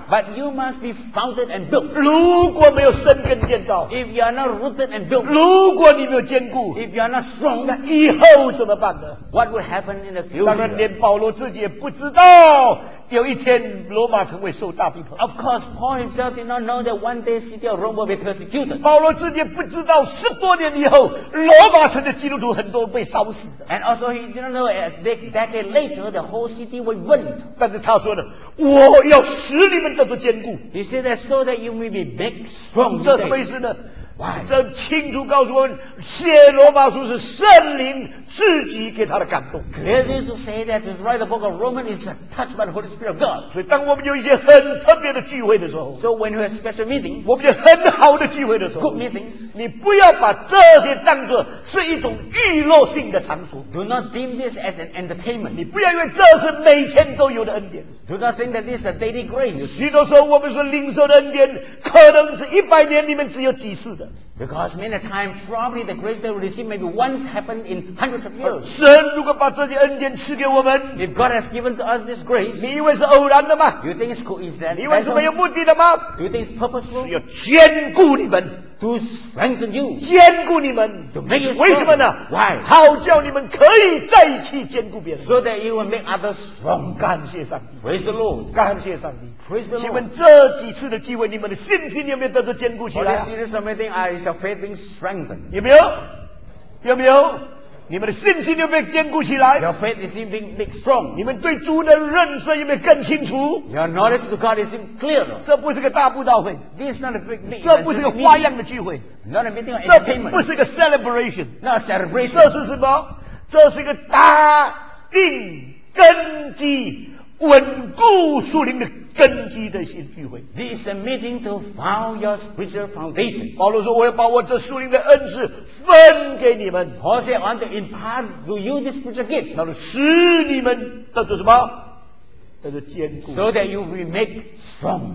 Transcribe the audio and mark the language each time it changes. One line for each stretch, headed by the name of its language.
English: But you must be founded and built.
Chinese: 如果没有生根建造。
English: If you are not rooted and built.
Chinese: 如果你没有坚固。
English: If you are not strong.
Chinese: 那以后怎么办呢？
English: What will happen in the future?
Chinese: 当然连保罗自己也不知道。有一天，罗马城会受大逼迫。
English: Of course, Paul himself did not know that one day city of Rome will be persecuted.
Chinese: 保罗自己不知道，十多年以后，罗马城的基督徒很多被烧死的。
English: And also, he did not know that decade later, the whole city will burn.
Chinese: 但是他说的，我要使你们得到坚固。
English: He said that so that you may be big, strong.
Chinese: 这什么意思呢？
English: Why?
Chinese: 这清楚告诉我们，写罗马书是圣灵自己给他的感动。
English: Clearly to say that to write the book of Romans is touched by the Holy Spirit of God.
Chinese: 所以当我们有一些很特别的聚会的时候
English: ，So when we have special meetings，
Chinese: 我们有很好的聚会的时候
English: ，Good meetings，
Chinese: 你不要把这些当作是一种娱乐性的场所。
English: Do not deem this as an entertainment。
Chinese: 你不要以为这是每天都有的恩典。
English: Do not think that this is a daily grace。
Chinese: 许多时候我们说领受的恩典，可能是一百年里面只有几次的。
English: Because many times, probably the grace they will receive maybe once happened in hundreds of years.
Chinese: 神如果把这些恩典赐给我们，
English: if God has given to us this grace,
Chinese: 你以为是偶然的吗？
English: You think it's coincidental?
Chinese: 你以为是没有目的的吗？
English: Do you think it's purposeful?
Chinese: 是要坚固你们。
English: To strengthen you,
Chinese: 坚固你们
English: to make you strong.
Chinese: 为什么呢？
English: Why?
Chinese: 好叫你们可以再去坚固别人。
English: So that you will make others strong.
Chinese: 感谢上帝。
English: Praise the Lord.
Chinese: 感谢上帝。
English: Praise the Lord.
Chinese: 请问这几次的机会，你们的信心有没有得到坚固起来？
English: For this series of meeting, are your faith being strengthened?
Chinese: 有没有？有没有？你们的信心有没有坚固起来？
English: Your faith is being made strong.
Chinese: 你们对主的认识有没有更清楚？
English: Your knowledge to God is clearer.
Chinese: 这不是个大布道会。
English: This is not a big meeting.
Chinese: 这不是个花样的聚会。
English: Not a meeting.
Chinese: 这不是个 celebration.
English: Not a celebration.
Chinese: 这是什么？这是个打定根基、稳固属灵的根基的新聚会。
English: This is a meeting to found your spiritual foundation.
Chinese: 保罗说：“我要把我这属灵的恩赐。” 分给你们
English: Paul said, I want to impart to you this spiritual gift.
Chinese: 那就使你们得到什么？得到坚固。
English: So that you will make strong.